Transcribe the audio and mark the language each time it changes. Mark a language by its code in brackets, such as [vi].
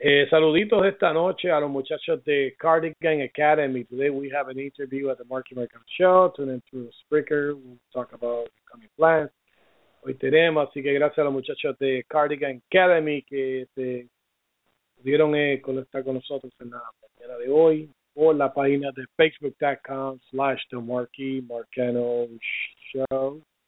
[es] Saluditos esta noche a los muchachos de Cardigan Academy. [en] Today we have an interview at the Marky Mercano Show. Tune in through Spreaker. We'll talk about the coming plans. [es] Hoy tenemos, así que gracias a los muchachos de Cardigan Academy que se pudieron conectar con nosotros en la mañana de hoy. O la página de facebook.com/TheMarkyMercanoShow.